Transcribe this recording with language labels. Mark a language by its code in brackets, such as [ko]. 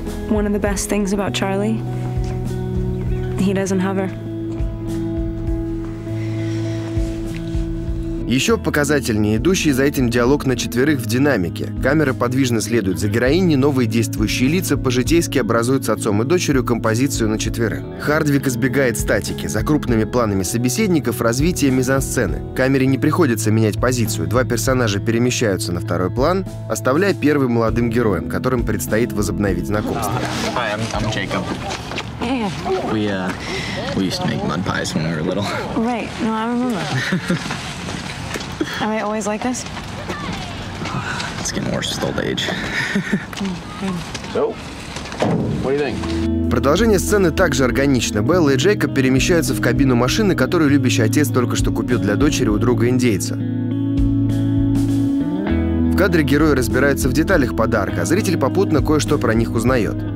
[en] One of the best things about Charlie, he doesn't have her. [ru] Еще показательнее идущий за этим диалог на четверых в динамике. Камера подвижно следует за героиней, новые действующие лица по-житейски образуют с отцом и дочерью композицию на четверых. Хардвик избегает статики. За крупными планами собеседников развитие мизансцены. Камере не приходится менять позицию. Два персонажа перемещаются на второй план, оставляя первым молодым героем, которым предстоит возобновить знакомство. [en] I'm Jacob. Yeah. We used to make mud pies when we were little. Right. No, I remember. Am I always like this? It's getting worse with old age. So, what do you think? [ru] Продолжение сцены также органично. Белла и Джейкоб перемещаются в кабину машины, которую любящий отец только что купил для дочери у друга-индейца. В кадре герои разбираются в деталях подарка, а зритель попутно кое-что про них узнает.